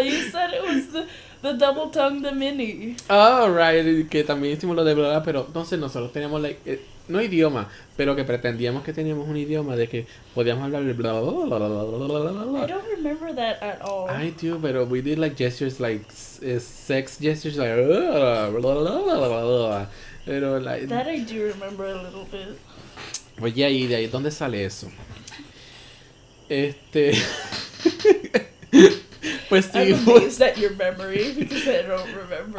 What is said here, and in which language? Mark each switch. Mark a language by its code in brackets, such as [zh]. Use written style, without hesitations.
[en] You said it was the double tongue, the mini. Oh, right. [es] Que también hicimos lo de blah, blah, pero entonces nosotros teníamos, like. No idioma, pero que pretendíamos que teníamos un idioma de que podíamos hablar el bla bla bla bla bla bla bla bla bla. [en] I don't remember that at all. I do, pero we did like gestures, like sex gestures, like bla bla bla bla bla bla. Pero like that I do remember a little bit. [es] Pues ya, y de ahí, ¿dónde sale eso? Pues sí. [en] I'm amazed at your memory because I don't remember.